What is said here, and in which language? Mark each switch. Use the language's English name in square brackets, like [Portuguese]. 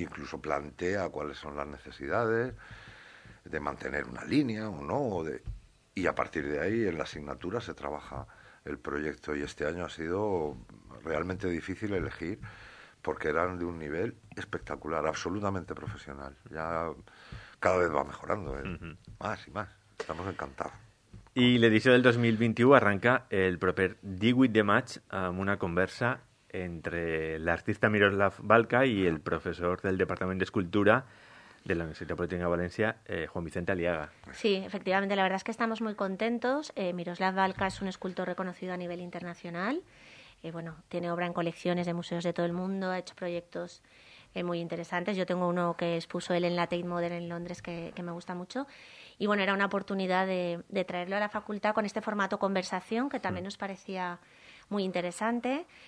[Spanish] Y incluso plantea cuáles son las necesidades de mantener una línea o no, o de... y a partir de ahí en la asignatura se trabaja el proyecto. Y este año ha sido realmente difícil elegir porque eran de un nivel espectacular, absolutamente profesional. Ya cada vez va mejorando, más y más. Estamos encantados. [Catalan] Y l'edició del 2021 arranca el proper 18 de maig amb una conversa entre l'artista Miroslav Balca i el professor del Departament d'Escultura de la Universitat Politécnica de València, Juan Vicente Aliaga. [Spanish] Sí, efectivamente, la verdad es que estamos muy contentos. Miroslav Balca es un escultor reconocido a nivel internacional. Bueno, tiene obra en colecciones de museos de todo el mundo, ha hecho proyectos muy interesantes. Yo tengo uno que expuso él en la Tate Modern en Londres que me gusta mucho. Y bueno, era una oportunidad de traerlo a la facultad con este formato conversación que también nos parecía muy interesante.